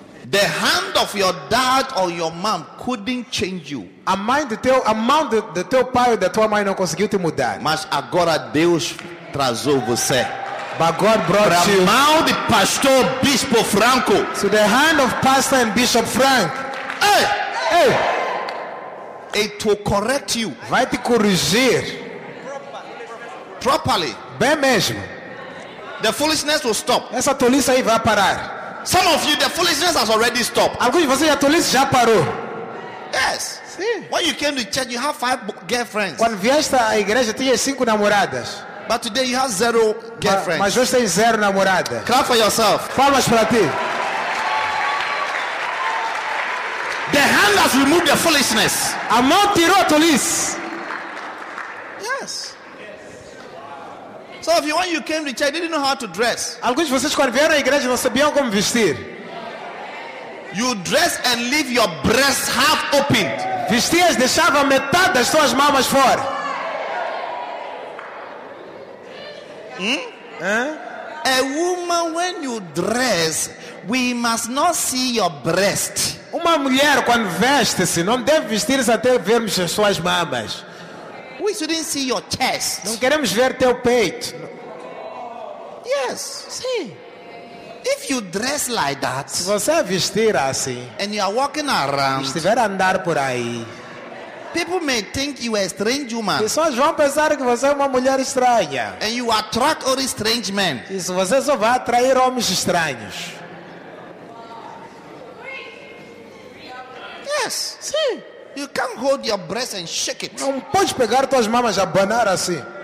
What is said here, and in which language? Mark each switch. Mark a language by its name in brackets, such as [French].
[English] The hand of your dad or your mom couldn't change you. [Portuguese] A mão do teu pai ou da tua mãe não conseguiu te mudar. Mas agora Deus trazou você. [English] But God brought [Portuguese] pra [English] you. [Portuguese] Mão de pastor Bispo Franco. [English] To the hand of pastor and Bishop Frank. Hey! Hey! It will correct you. [Portuguese] Vai te corrigir. [English] Properly. [Portuguese] Bem mesmo. [English] The foolishness will stop. [Portuguese] Essa tolice aí vai parar. [English] Some of you, the foolishness has already stopped. [Portuguese] Alguns de vocês, a tolice já parou. [English] Yes. [Portuguese] Sim. [English] When you came to church, you have 5 girlfriends. [Portuguese] Quando vieste à igreja, tinha 5 namoradas. [English] But today you have 0 girlfriends. [Portuguese] Mas hoje tem 0 namorada. [English] Clap for yourself. [Portuguese] Palmas para ti. [English] The hand has removed the foolishness. [Portuguese] A mão tirou a tolice. [English] Yes. So if you, when you came to church, didn't know how to dress. [Portuguese] Alguns de vocês quando vieram à igreja não sabiam como vestir. [English] You dress and leave your breasts half open. [Portuguese] Vestias, deixava metade das suas mamas fora. [English] A woman, when you dress, we must not see your breast. [Portuguese] Uma mulher quando veste-se não deve vestir-se até vermos as suas mamas. [English] We shouldn't see your chest. [Portuguese] Não queremos ver teu peito. [English] Yes, [Portuguese] sim. [English] If you dress like that, [Portuguese] se você vestir assim, [English] and you are walking around, [Portuguese] estiver a andar por aí, [English] people may think you are a strange woman. [Portuguese] Pessoas vão pensar que você é uma mulher estranha. [English] And you attract only strange men. [Portuguese] E se você só vai atrair homens estranhos. [English] Yes, [Portuguese] sim. [English] You can't hold your breast and shake it. [Portuguese] Não pode pegar tuas mamas a banar assim.